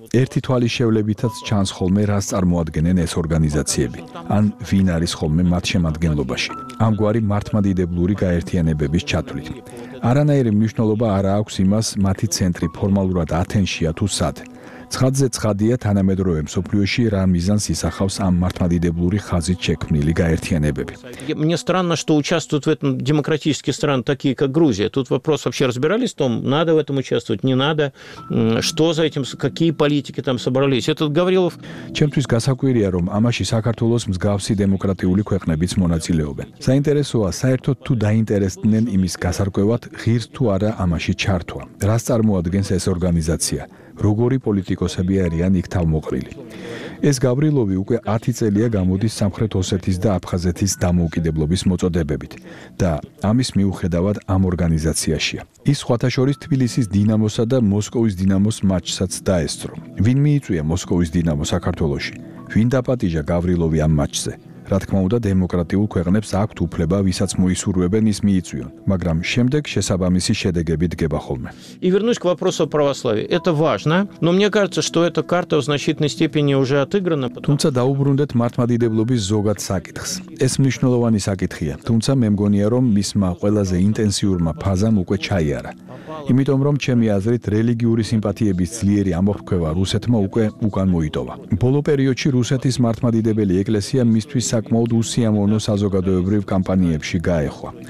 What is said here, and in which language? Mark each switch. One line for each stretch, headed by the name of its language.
Georgian: ერთი თვალის შევლებითაც ჩანს ხოლმე, რას წარმოადგენენ ეს ორგანიზაციები, ან ვინ არის ხოლმე მათ შემადგენლობაში. ამგვარი მართლმადიდებლური გაერთიანებების ჩათვლით. არანაირი მნიშვნელობა არ აქვს იმას, მათი ცენტრი ფორმალურად ათენშია თუ სად. ცხადზე ცხადია, თანამედროვე მსოფლიოში რა მიზანს ისახავს ამ მართლმადიდებლური ხაზით შექმნილი გაერთიანებები.
Russian: Мне странно, что участвуют в этом демократические страны, такие как Грузия. Тут вопрос вообще разбирались в том, надо в этом участвовать, не надо. Что за этим, какие политики там собрались? Этот Гаврилов.
Georgian: Чемთვის გასაკვირია, რომ ამაში საქართველოს მსგავსი დემოკრატიული ქვეყნებიც მონაწილეობენ. საინტერესოა, საერთოდ თუ დაინტერესდნენ იმის გასარკვევად, ღირს თუ არა ამაში ჩართვა. რას წარმოადგენს ეს ორგანიზაცია? როგორი პოლიტიკოსები არიან იქ თავმოყრილი? ეს გავრილოვი უკვე 10 წელია გამოდის სამხრეთ ოსეთის და აფხაზეთის დამოუკიდებლობის მოწოდებებით და ამის მიუხედავად ამ ორგანიზაციაშია. ის სხვათა შორის თბილისის დინამოსა და მოსკოვის დინამოს მატჩსაც დაესწრო. ვინ მიიწვია მოსკოვის დინამო საქართველოში? ვინ დაპატიჟა გავრილოვი ამ მატჩზე? რა თქმა უნდა, დემოკრატიულ ქვეყნებს აქვთ უფლება, ვისაც მოისურვებენ, ის მიიწვიონ, მაგრამ შემდეგ შესაბამისი შედეგები დგება ხოლმე.
Russian: И вернусь к вопросу о православии. Это важно, но мне кажется, что эта карта в значительной степени уже отыграна.
Georgian: Тумца даубрундет მართმადიდებლობის ზოგად საკითხს. ეს მნიშვნელოვანი საკითხია. თუმცა მე მგონია, რომ მისმა ყველაზე ინტენსიურმა ფაზამ უკვე ჩაიარა. იმიტომ რომ ჩემი აზრით, რელიგიური სიმპათიების ძლიერი ამოფრქვევა რუსეთმა უკვე უკან მოიტოვა. ბოლო პერიოდში რუსეთის მართმადიდებელი ეკლესია მისთვის საკმაოდ უსიამოვნო საზოგადოებრივ კამპანიებში გაეხვა.